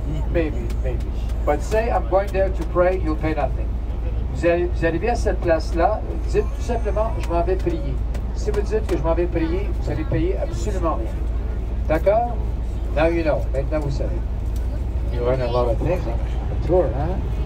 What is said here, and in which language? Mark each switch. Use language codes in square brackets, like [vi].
[en] maybe. But say, I'm going there to pray, you'll pay nothing. [fr] Vous arrivez à cette place-là, dites tout simplement, je m'en vais prier. Si vous dites que je m'en vais prier, vous allez payer absolument rien. D'accord? [en] Now you know. [fr] Maintenant, vous savez. [en] You learn a lot of things on a tour, huh?